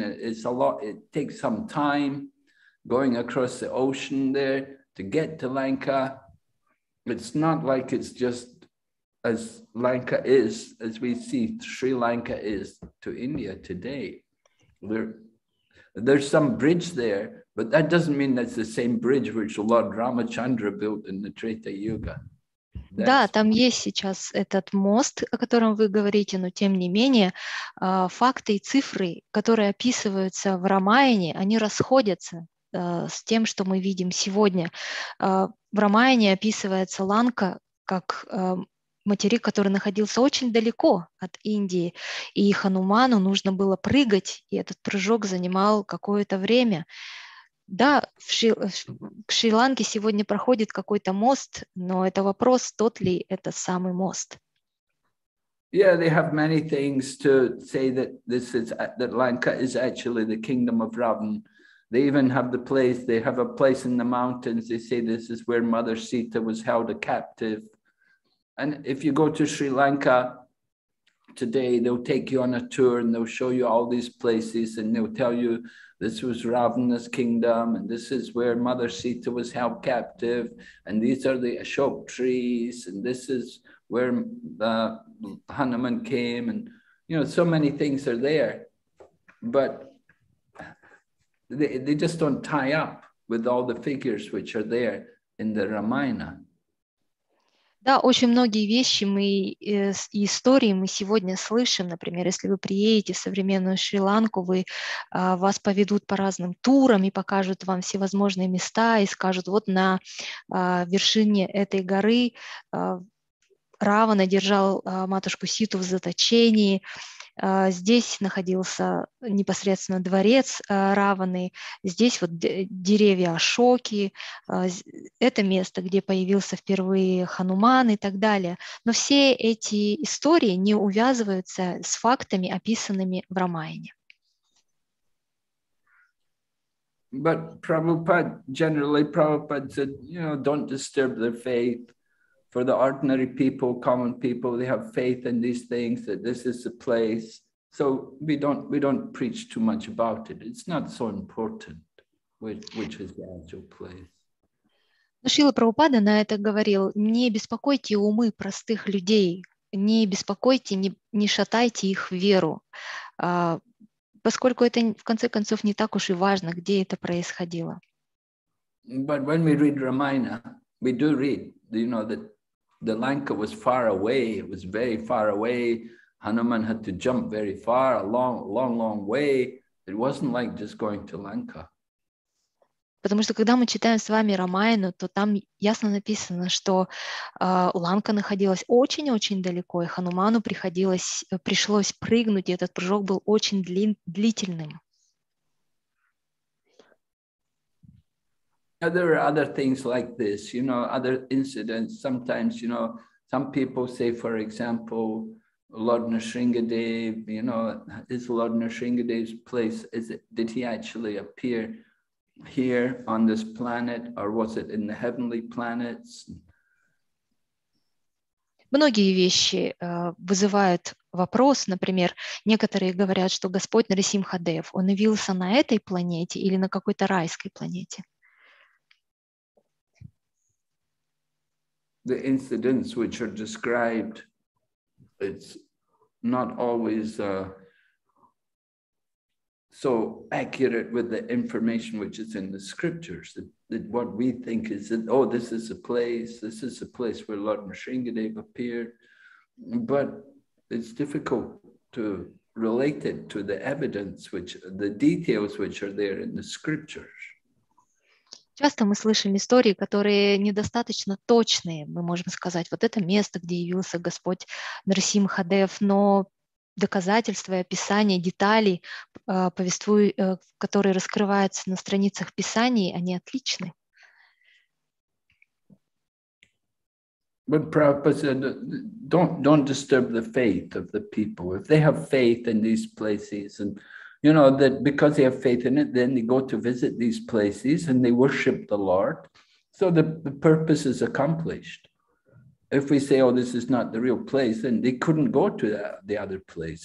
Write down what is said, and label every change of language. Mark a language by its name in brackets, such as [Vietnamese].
[English] It's a lot, it takes some time going across the ocean there to get to Lanka. It's not like it's just as Lanka is, as we see, Sri Lanka is to India today. There's some bridge there, but that doesn't mean that's the same bridge which Lord Ramachandra built in the Treta Yuga. [Russian] Да, там есть сейчас этот мост, о котором вы говорите, но тем не менее факты и цифры, которые описываются в Рамаяне, они расходятся с тем, что мы видим сегодня. В Рамаяне описывается Ланка как материк, который находился очень далеко от Индии, и Хануману нужно было прыгать, и этот прыжок занимал какое-то время. Да, к Шри-Ланке сегодня проходит какой-то мост, но это вопрос, тот ли это самый мост. [English] Yeah, they have many things to say that this is that Lanka is actually the kingdom of Ravan. They even have the place, they have a place in the mountains. They say this is where Mother Sita was held a captive. And if you go to Sri Lanka today, they'll take you on a tour and they'll show you all these places and they'll tell you this was Ravana's kingdom and this is where Mother Sita was held captive and these are the Ashok trees and this is where Hanuman came and, you know, so many things are there. But they just don't tie up with all the figures which are there in the Ramayana. [Russian] Да, очень многие вещи мы и истории мы сегодня слышим. Например, если вы приедете в современную Шри-Ланку, вы вас поведут по разным турам и покажут вам всевозможные места и скажут, вот на вершине этой горы Равана держал матушку Ситу в заточении, здесь находился непосредственно дворец Раваны, здесь вот деревья Ашоки, это место, где появился впервые Хануман и так далее. Но все эти истории не увязываются с фактами, описанными в Рамаяне. [English] But Prabhupada, generally Prabhupada said, you know, don't disturb their faith. For the ordinary people, common people, they have faith in these things, that this is the place. So we don't preach too much about it. It's not so important which is the actual place. [Russian] Шрила Прабхупада на это говорил, не беспокойте умы простых людей, не беспокойте, не шатайте их веру, поскольку это, в конце концов, не так уж и важно, где это происходило. [English] But when we read Ramayana, we do read, you know, that the Lanka was far away, it was very far away. Hanuman had to jump very far, a long, long, long way. It wasn't like just going to Lanka. [Russian] Потому что когда мы читаем с вами Рамаяну, то там ясно написано, что Ланка находилась очень-очень далеко, и Хануману пришлось прыгнуть, и этот прыжок был очень длительным. [English] There are other things like this, you know, other incidents. Sometimes, you know, some people say, for example, Lord Nrisingadev, you know, is Lord Nrisingadev's place, did he actually appear here on this planet or was it in the heavenly planets? [Russian] Многие вещи вызывают вопрос. Например, некоторые говорят, что Господь Нрисимхадев, он явился на этой планете или на какой-то райской планете? [English] The incidents which are described, it's not always so accurate with the information which is in the scriptures. That what we think is that, oh, this is a place where Lord Nrisingadev appeared. But it's difficult to relate it to the evidence, which the details which are there in the scriptures. [Russian] Часто мы слышим истории, которые недостаточно точные, мы можем сказать, вот это место, где явился Господь Нрисимхадев, но доказательства и описания, детали, которые раскрываются на страницах Писаний, они отличны. [English] But Prabhupada said, don't disturb the faith of the people. If they have faith in these places and you know, that because they have faith in it, then they go to visit these places and they worship the Lord. So the purpose is accomplished. If we say, oh, this is not the real place, then they couldn't go to the other place.